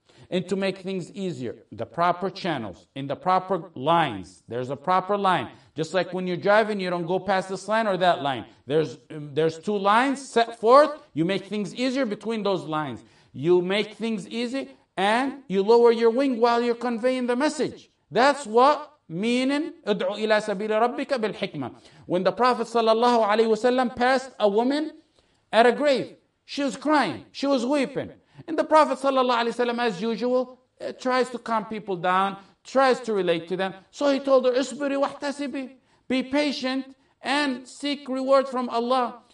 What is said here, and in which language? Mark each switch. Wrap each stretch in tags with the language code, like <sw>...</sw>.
<en>And to make things easier, the proper channels, in the proper lines, there's a proper line. Just like when you're driving, you don't go past this line or that line. There's two lines set forth, you make things easier between those lines. You make things easy and you lower your wing while you're conveying the message. That's what meaning,</en> <ar>ادعو إلى سبيل ربك بالحكمة.</ar> <en>When the Prophet ﷺ passed a woman at a grave, she was crying, she was weeping. And the Prophet sallallahu alaihi wasallam, as usual, tries to calm people down, tries to relate to them. So he told her,</en> <ar>"Isbiri wahtasibi,</ar> <en>be patient and seek reward from Allah."</en>